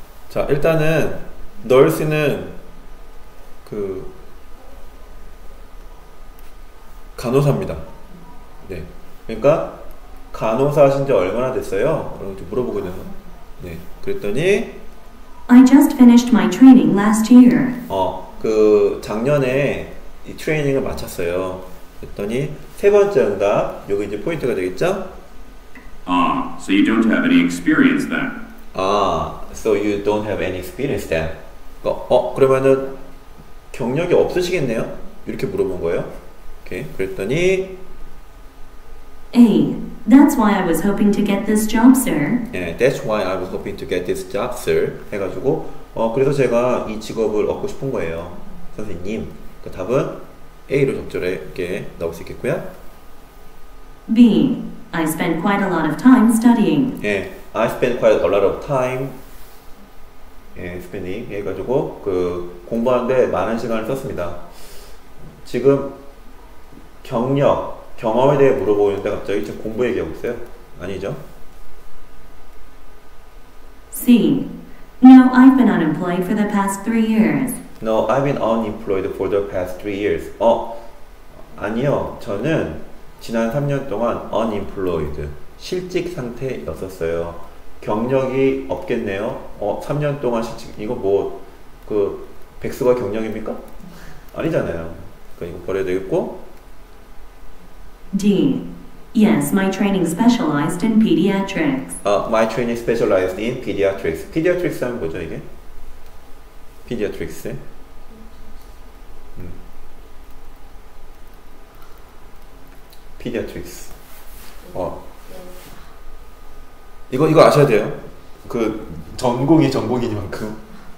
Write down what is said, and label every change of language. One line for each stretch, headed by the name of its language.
Korean: 자, 일단은 넣을 수 있는 그 간호사입니다. 네, 그러니까 간호사 하신 지 얼마나 됐어요? 그런 걸 좀 물어보고 있는 거예요. 네, 그랬더니
English: I just finished my training last year.
Korean: 그 작년에 이 트레이닝을 마쳤어요. 그랬더니 세 번째 응답, 여기 이제 포인트가 되겠죠?
English: So you don't have any experience then? So you don't have any experience then?
Korean: 그러면은 경력이 없으시겠네요? 이렇게 물어본 거예요. 오케이, 그랬더니
English: Hey, that's why I was hoping to get this job, sir. 네, that's why I was hoping to get this job, sir.
Korean: 해가지고 그래서 제가 이 직업을 얻고 싶은 거예요, 선생님. 그 답은 A로 적절하게 넣을 수 있겠고요.
English: B. I spent quite a lot of time studying. 예, I spent quite a lot of time.
Korean: 예, spending 해가지고 그 공부하는데 많은 시간을 썼습니다. 지금 경력, 경험에 대해 물어보는데 갑자기 지금 공부 얘기하고 있어요? 아니죠?
English: C. No, I've been unemployed for the past 3 years. No, I've been unemployed for the past 3 years.
Korean: 아니요, 저는 지난 3년 동안 unemployed, 실직 상태였었어요. 경력이 없겠네요. 3년 동안 실직, 이거 뭐 그 백수가 경력입니까? 아니잖아요. 그러니까 이거 버려야 되겠고.
English: D. Yes, my training specialized in pediatrics. My training specialized in pediatrics.
Korean: Pediatrics 하면 뭐죠 이게?
English: Pediatrics.
Korean: 피디아트릭스. 이거 아셔야 돼요. 그 전공이 전공이니만큼.